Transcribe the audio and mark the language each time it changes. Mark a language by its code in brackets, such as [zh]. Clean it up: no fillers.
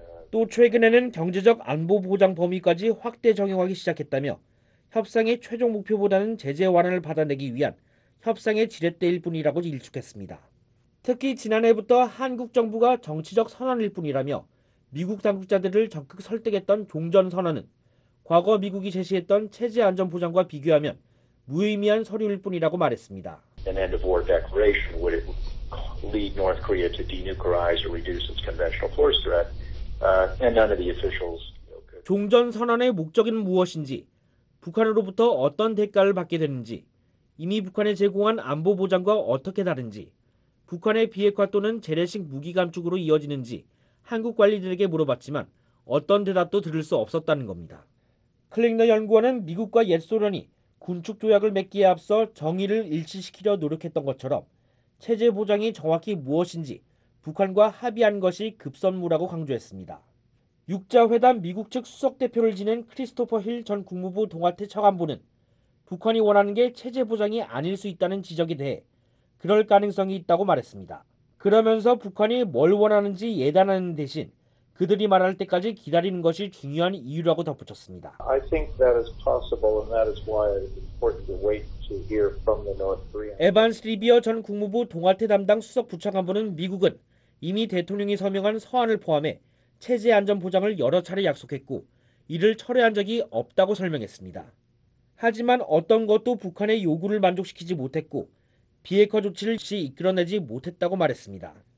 [ko] 또 최근에는 경제적 안보 보장 범위까지 확대 적용하기 시작했다며 협상의 최종 목표보다는 제재 완화를 받아내기 위한 협상의 지렛대일 뿐이라고 일축했습니다. 특히 지난해부터 한국 정부가 정치적 선언일 뿐이라며 미국 당국자들을 적극 설득했던 종전 선언은 과거 미국이 제시했던 체제 안전 보장과 비교하면 무의미한 서류일 뿐이라고 말했습니다. [en] An end of war declaration would lead North Korea to denuclearize or reduce its conventional force threat. And none of the officials, you know, [ko] 종전선언의 목적은 무엇인지, 북한으로부터 어떤 대가를 받게 되는지, 이미 북한에 제공한 안보 보장과 어떻게 다른지, 북한의 비핵화 또는 재래식 무기 감축으로 이어지는지 한국 관리들에게 물어봤지만 어떤 대답도 들을 수 없었다는 겁니다. 클링너 연구원은 미국과 옛 소련이 군축 조약을 맺기에 앞서 정의를 일치시키려 노력했던 것처럼 체제 보장이 정확히 무엇인지 북한과 합의한 것이 급선무라고 강조했습니다. 6자회담 미국 측 수석대표를 지낸 크리스토퍼 힐 전 국무부 동아태 차관보는 북한이 원하는 게 체제 보장이 아닐 수 있다는 지적에 대해 그럴 가능성이 있다고 말했습니다. 그러면서 북한이 뭘 원하는지 예단하는 대신 그들이 말할 때까지 기다리는 것이 중요한 이유라고 덧붙였습니다. [en] I think that is possible and that is why it is important to wait to hear from the North Korean. [ko] 에반스 리비어 전 국무부 동아태 담당 수석 부차관보는 미국은 이미 대통령이 서명한 서한을 포함해 체제 안전 보장을 여러 차례 약속했고 이를 철회한 적이 없다고 설명했습니다. 하지만 어떤 것도 북한의 요구를 만족시키지 못했고 비핵화 조치를 시 이끌어내지 못했다고 말했습니다.